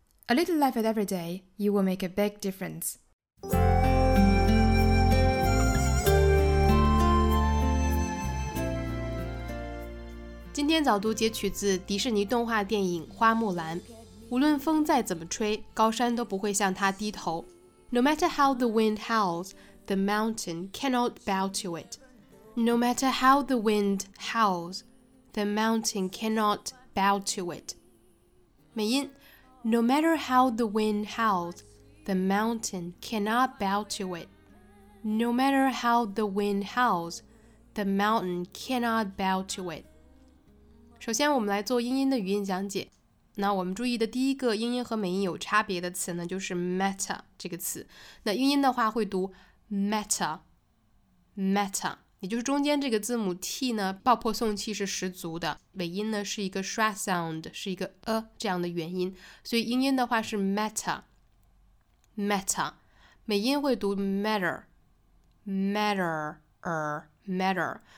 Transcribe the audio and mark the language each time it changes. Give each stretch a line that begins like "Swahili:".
English: A little life at every day, you will make a big difference.
Chinese: 今天早读截取自迪士尼动画电影《花木兰》。无论风再怎么吹，高山都不会向它低头。
English: No matter how the wind howls, the mountain cannot bow to it. No matter how the wind howls,The mountain cannot bow to it.
Chinese: 美音
English: No matter how the wind howls, the mountain cannot bow to it. No matter how the wind howls, the mountain cannot bow to it.
Chinese: 首先我们来做英音的语音讲解。那我们注意的第一个英音和美音有差别的词呢，就是 matter 这个词。那英音的话会读 matter。也就是中间这个字母 T 呢，爆破送气是十足的，尾音呢是一个 schwa sound， 是一个这样的元音，所以英音的话是 matter， 美音会读 matter。